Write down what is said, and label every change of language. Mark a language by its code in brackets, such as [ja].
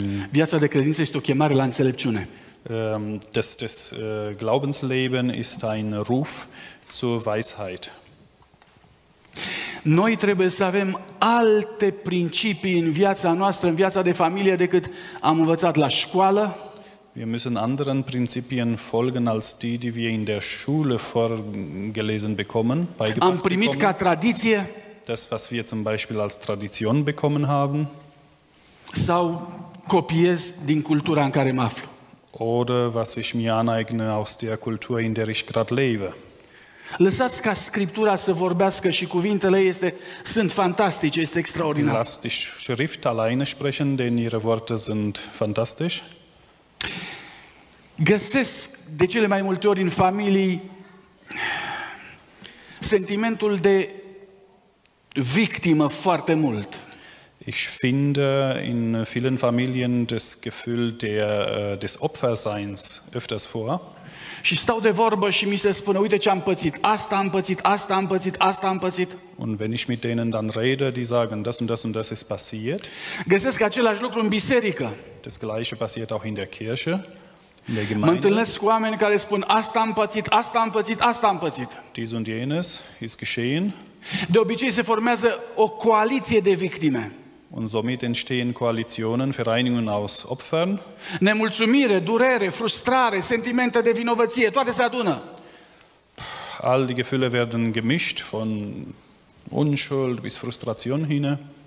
[ro] Viața de credință este o chemare la înțelepciune. [de] Das Glaubensleben ist ein Ruf zur Weisheit. [ro] Noi trebuie să avem alte principii în viața noastră, în viața de familie, decât am învățat la școală. [de] Wir müssen anderen Prinzipien folgen als die, die wir in der Schule vorgelesen bekommen. [ro] Am primit ca tradiție. [de] Das, was wir zum Beispiel als Tradition bekommen haben. [ro] Sau copiez din cultura în care mă aflu. [de] Oder was ich mir aneigne aus der Kultur, in der ich gerade lebe. [ro] Lăsați ca Scriptura să vorbească și cuvintele ei sunt fantastice, este extraordinar. [de] Lasst die Schrift alleine sprechen, denn ihre Worte sind fantastisch. [ro] Găsesc de cele mai multe ori în familii sentimentul de victimă foarte mult. [de] Ich finde in vielen Familien das Gefühl des Opferseins öfters vor. [ro] Și stau de vorbă și mi se spune, uite ce am pățit, asta am pățit, asta am pățit, asta am pățit. [de] Und wenn ich mit denen dann rede, die sagen, das und das und das ist passiert. [ro] Găsesc același lucru în biserică. [de] Das gleiche passiert auch in der Kirche. [ro] Mă întâlnesc cu oameni care spun, asta am pățit, asta am pățit, asta am pățit. [de] Dies und jenes ist geschehen. [ro] De obicei se formează o coaliție de victime. [de] Und somit entstehen Koalitionen, Vereinigungen aus Opfern. [ro] Nemulțumire, durere, frustrare, sentimente de vinovăție, toate se adună. [de] All die Gefühle werden gemischt, von Unschuld bis Frustration hin.